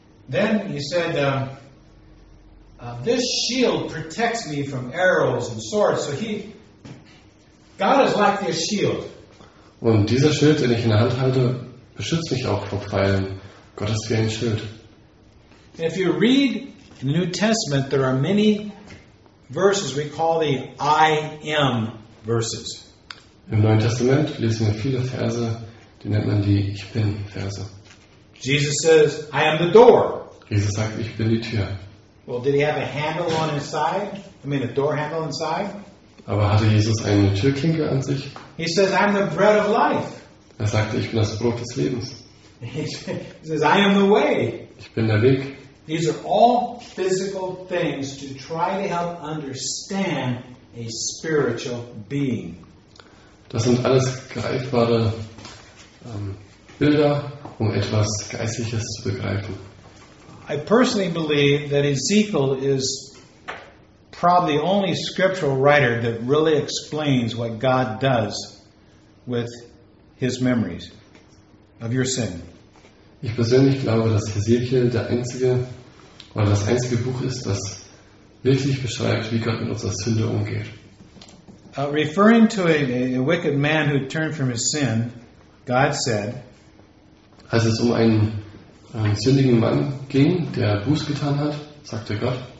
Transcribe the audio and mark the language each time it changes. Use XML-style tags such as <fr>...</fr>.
<en>Then he said, this shield protects me from arrows and swords. So God is like this shield.</en> <de>Und dieser Schild, den ich in der Hand halte, beschützt mich auch vor Pfeilen. Gott ist wie ein Schild.</de> <en>If you read in the New Testament, there are many verses we call the I am verses.</en> <de>Im Neuen Testament lesen wir viele Verse, die nennt man die Ich bin Verse.</de> <en>Jesus says, I am the door.</en> <de>Jesus sagt, ich bin die Tür.</de> <en>Well, did he have a handle on his side? I mean, a door handle inside?</en> <de>Aber hatte Jesus eine Türklinke an sich?</de> <en>He says, I'm the bread of life.</en> <de>Er sagte, ich bin das Brot des Lebens.</de> <en>He says, I am the way.</en> <de>Ich bin der Weg.</de> <en>These are all physical things to try to help understand a spiritual being.</en> <de>Das sind alles greifbare Bilder, um etwas Geistliches zu begreifen.</de> <en>I personally believe that Ezekiel is probably the only scriptural writer that really explains what God does with his memories of your sin.</en> <de>Ich persönlich glaube, dass Ezekiel der einzige oder das einzige Buch ist, das wirklich beschreibt, wie Gott mit unserer Sünde umgeht.</de> <en>Referring to a wicked man who turned from his sin, God said,</en> <de>als es um einen sündigen Mann ging, der Buß getan hat, sagte Gott,</de>